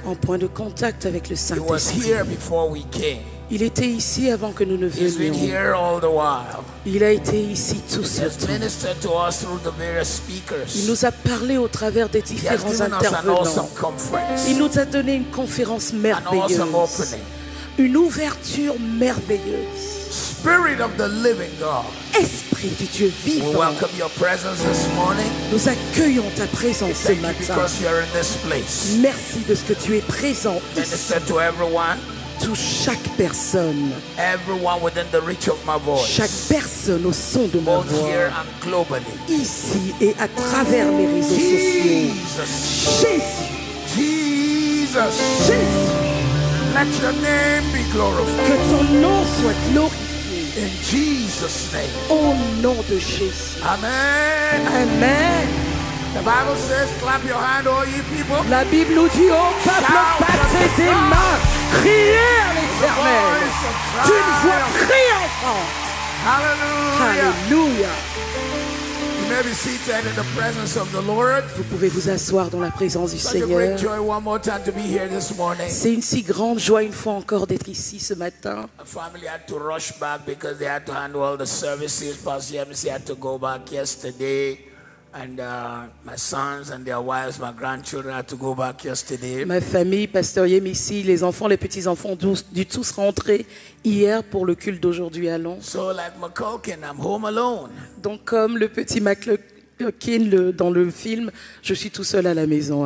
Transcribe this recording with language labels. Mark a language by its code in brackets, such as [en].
[fr] en point de contact avec le Saint-Esprit. [en] He was here before we came. [fr] Il était ici avant que nous ne venions. [en] He's been here all the while. [fr] Il a été ici tout ce temps. [en] He has ministered to us through the various speakers. [fr] Il nous a parlé au travers des différents intervenants. Il nous a donné une conférence merveilleuse. [en] An awesome opening. [fr] Une ouverture merveilleuse. [en] Spirit of the living God. [fr] Esprit du Dieu vivant. [en] We welcome your presence this morning. [fr] Nous accueillons ta présence ce matin. [en] Thank you because you are in this place. [fr] Merci de ce que tu es présent ici. [en] Minister to everyone. [fr] To chaque personne. [en] Everyone within the reach of my voice. [fr] Chaque personne au son de ma voix. [en] Both here and globally. [fr] Ici et à travers les réseaux [en] Jesus. [fr] Sociaux. [en] Jesus. Jesus. Jesus. Let your name be glorified. [fr] Que ton nom soit glorifié. [en] In Jesus' name. [fr] Au nom de Jésus. Amen. Amen. [en] The Bible says, clap your hand, all ye people. [fr] La Bible nous dit, oh peuple, battez tes mains. Criez à l'Éternel. D'une voix triomphante. Hallelujah. Hallelujah. [en] You may be seated in the presence of the Lord. [fr] Vous pouvez vous asseoir dans la présence du Seigneur. [en] Such a great joy one more time to be here this morning. [fr] C'est une si grande joie une fois encore d'être ici ce matin. [en] A family had to rush back because they had to handle all the services. Pastor MC had to go back yesterday. And my sons and their wives, my grandchildren had to go back yesterday. [fr] Ma famille, Pastor Yemisi, les enfants, les petits-enfants du tous rentrés hier pour le culte d'aujourd'hui à Londres. [en] So like McCulkin, I'm home alone. [fr] Donc comme le petit McCulkin dans le film, je suis tout seul à la maison.